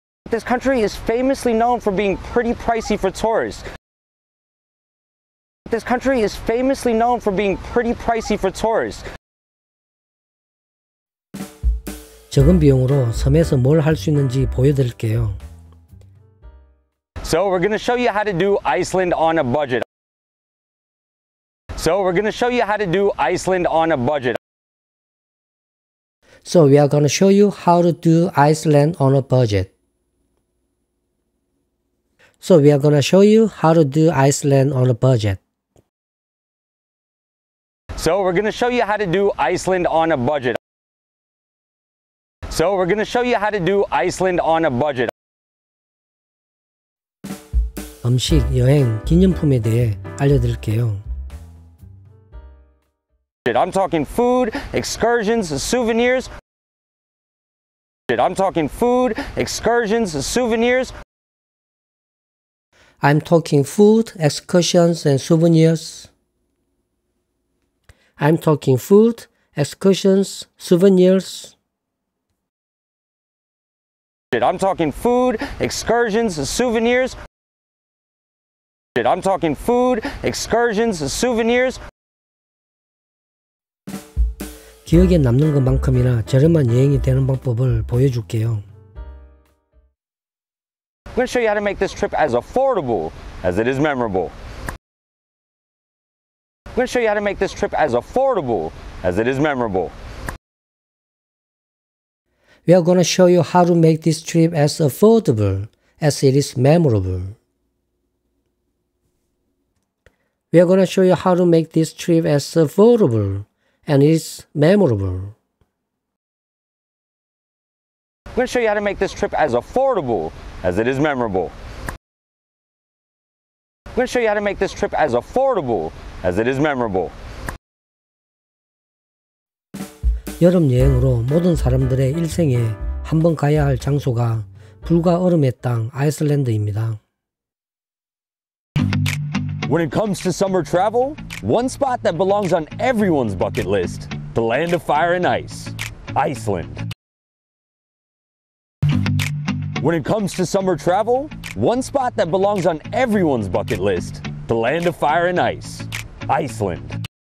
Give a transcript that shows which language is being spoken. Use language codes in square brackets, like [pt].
[en] This country is famously known for being pretty pricey for tourists. This country is famously known for being pretty pricey for tourists. [ko] 적은 비용으로 섬에서 뭘 할 수 있는지 보여드릴게요. [en] So we're going to show you how to do Iceland on a budget. So we're going to show you how to do Iceland on a budget. So we are going to show you how to do Iceland on a budget. So we are going to show you how to do Iceland on a budget. So we're going to show you how to do Iceland on a budget. So we're going to show you how to do Iceland on a budget. [ko] 음식, 여행, 기념품에 대해 알려드릴게요. [en] I'm talking food, excursions, souvenirs. I'm talking food, excursions, souvenirs. I'm talking food, excursions, and souvenirs. I'm talking food, excursions, souvenirs. I'm talking food, excursions, souvenirs. I'm talking food, excursions, souvenirs. [ko] 기억에 남는 것만큼이나 저렴한 여행이 되는 방법을 보여줄게요. [en] I'm going to show you how to make this trip as affordable as it is memorable. I'm going to show you how to make this trip as affordable as it is memorable. We are going to show you how to make this trip as affordable as it is memorable. We are going to show you how to make this trip as affordable and it's memorable. I'm going to show you how to make this trip as affordable as it is memorable. I'm going to show you how to make this trip as affordable as it is memorable. [ko] 여름 여행으로 모든 사람들의 일생에 한번 가야 할 장소가 불과 얼음의 땅 아이슬란드입니다. [en] When it comes to summer travel, one spot that belongs on everyone's bucket list, the land of fire and ice, Iceland. When it comes to summer travel, one spot that belongs on everyone's bucket list, the land of fire and ice, Iceland.